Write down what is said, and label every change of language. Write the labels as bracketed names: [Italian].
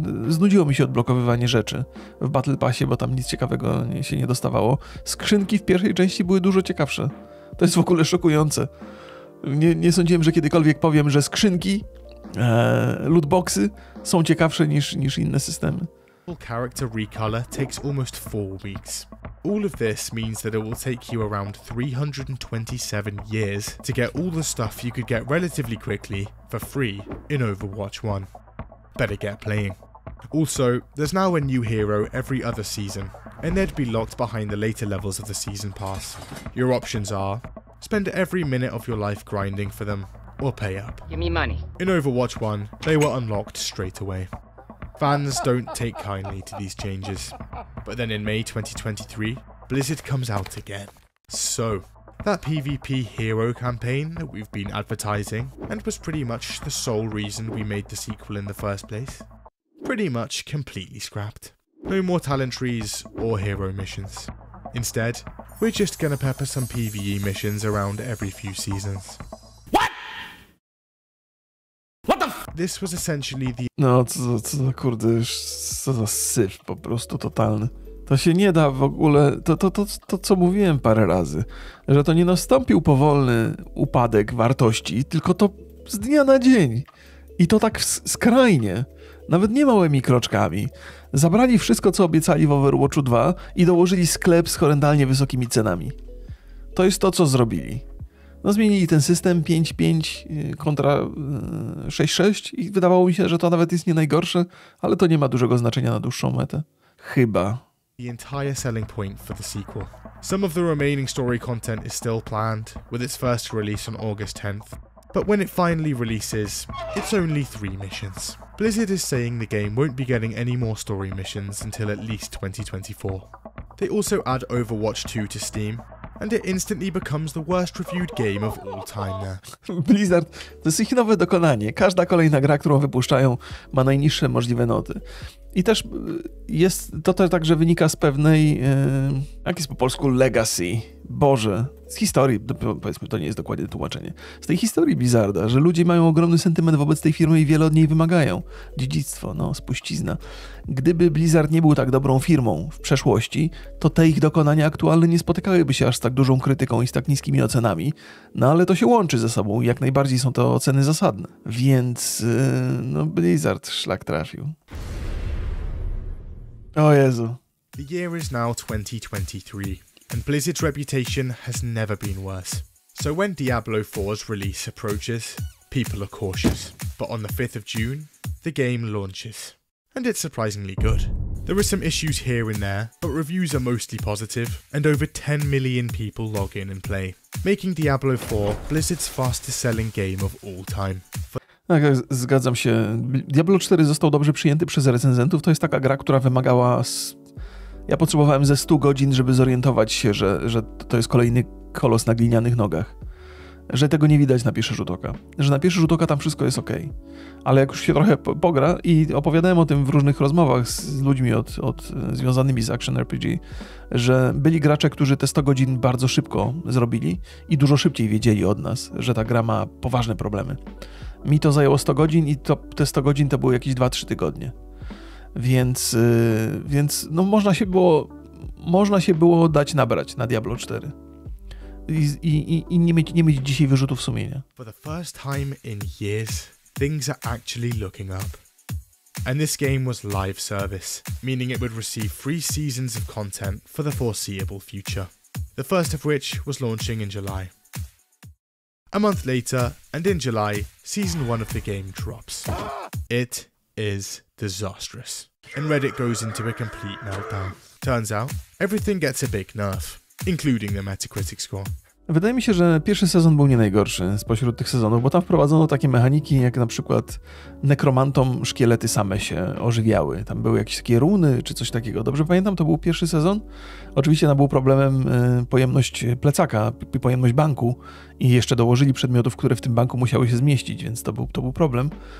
[Polish] Znudziło mi się odblokowywanie rzeczy w Battle Passie, bo tam nic ciekawego się nie dostawało. Skrzynki w pierwszej części były dużo ciekawsze. To jest w ogóle szokujące. Nie sądziłem, że kiedykolwiek powiem, że skrzynki lootboxy są ciekawsze niż inne systemy. [English] Character recolor takes almost 4 weeks. All of this means that it will take you around 327 years to get all the stuff you could get relatively quickly for free in Overwatch 1. Better get playing. Also, there's now a new hero every other season, and they'd be locked behind the later levels of the season pass. Your options are: spend every minute of your life grinding for them, or pay up. Give me money. In Overwatch 1, they were unlocked straight away. Fans don't take kindly to these changes. But then in May 2023, Blizzard comes out again. So, that PvP hero campaign that we've been advertising, and was pretty much the sole reason we made the sequel in the first place, pretty much completely scrapped. No more talent trees or hero missions. Instead, we're just gonna pepper some PvE missions around every few seasons. This was essentially the... [Polish] No, co za kurde, już co za syf po prostu totalny. To się nie da w ogóle, to co mówiłem parę razy, że to nie nastąpił powolny upadek wartości, tylko to z dnia na dzień. I to tak skrajnie, nawet nie małymi kroczkami. Zabrali wszystko, co obiecali w Overwatchu 2 i dołożyli sklep z horrendalnie wysokimi cenami. To jest to, co zrobili. No zmienili ten system 5-5 kontra 6-6 i wydawało mi się, że to nawet jest nie najgorsze, ale to nie ma dużego znaczenia na dłuższą metę. Chyba. [English] The entire selling point for the sequel. Some of the remaining story content is still planned, with its first release on August 10th. But when it finally releases, it's only 3 missions. Blizzard is saying the game won't be getting any more story missions until at least 2024. They also add Overwatch 2 to Steam, and it instantly becomes the worst reviewed game of all time now. [Polish] Blizzard, to jest ich nowe dokonanie. Każda kolejna gra, którą wypuszczają, ma najniższe możliwe noty. I też jest, to też także wynika z pewnej, jak jest po polsku, legacy, boże, z historii, powiedzmy, to nie jest dokładnie tłumaczenie, z tej historii Blizzarda, że ludzie mają ogromny sentyment wobec tej firmy i wiele od niej wymagają. Dziedzictwo, no, spuścizna. Gdyby Blizzard nie był tak dobrą firmą w przeszłości, to te ich dokonania aktualne nie spotykałyby się aż z tak dużą krytyką i z tak niskimi ocenami, no ale to się łączy ze sobą i jak najbardziej są to oceny zasadne. Więc, no, Blizzard szlak trafił. O Jezu. [English] The year is now 2023, and Blizzard's reputation has never been worse. So when Diablo 4's release approaches, people are cautious. But on the 5th of June, the game launches. And it's surprisingly good. There are some issues here and there, but reviews are mostly positive, and over 10 million people log in and play, making Diablo 4 Blizzard's fastest selling game of all time. [Polish] Tak, zgadzam się. Diablo 4 został dobrze przyjęty przez recenzentów. To jest taka gra, która wymagała... Ja potrzebowałem ze 100 godzin, żeby zorientować się, że to jest kolejny kolos na glinianych nogach. Że tego nie widać na pierwszy rzut oka. Że na pierwszy rzut oka tam wszystko jest okej. Okay. Ale jak już się trochę pogra i opowiadałem o tym w różnych rozmowach z ludźmi od związanymi z Action RPG, że byli gracze, którzy te 100 godzin bardzo szybko zrobili i dużo szybciej wiedzieli od nas, że ta gra ma poważne problemy. Mi to zajęło 100 godzin i te 100 godzin to były jakieś 2-3 tygodnie. Więc no można się było dać nabrać na Diablo 4. I nie mieć dzisiaj wyrzutów sumienia. [English] For the first time in years, things are actually looking up. And this game was live service, meaning it would receive 3 seasons of content for the foreseeable future. The first of which was launching in July. A month later, and in July, season 1 of the game drops. It is disastrous. And Reddit goes into a complete meltdown. Turns out, everything gets a big nerf, including the Metacritic score. [Polish] Wydaje mi się, że pierwszy sezon był nie najgorszy spośród tych sezonów, bo tam wprowadzono takie mechaniki, jak na przykład nekromantom szkielety same się ożywiały. Tam były jakieś takie runy czy coś takiego. Dobrze pamiętam, to był pierwszy sezon. Oczywiście tam był problemem pojemność plecaka, pojemność banku i jeszcze dołożyli przedmiotów, które w tym banku musiały się zmieścić, więc to był problem.